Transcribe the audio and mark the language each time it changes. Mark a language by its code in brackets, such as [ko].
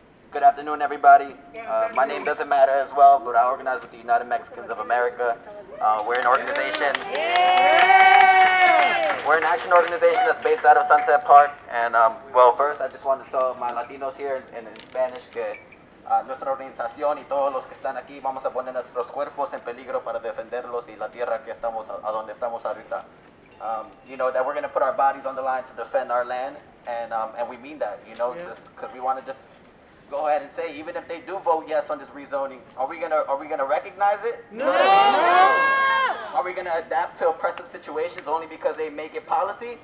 [en] Good afternoon, everybody. My name doesn't matter as well, but I organize with the United Mexicans of America. We're an organization. We're an action organization that's based out of Sunset Park. And well, first, I just want to tell my Latinos here in Spanish [es] que nuestra organización y todos los que están aquí vamos a poner nuestros cuerpos en peligro para defenderlos y la tierra que estamos a donde estamos ahorita. [en] You know, that we're going to put our bodies on the line to defend our land, and we mean that, you know, just because we want to just go ahead and say, even if they do vote yes on this rezoning, are we gonna recognize it? No! Are we gonna adapt to oppressive situations only because they make it policy?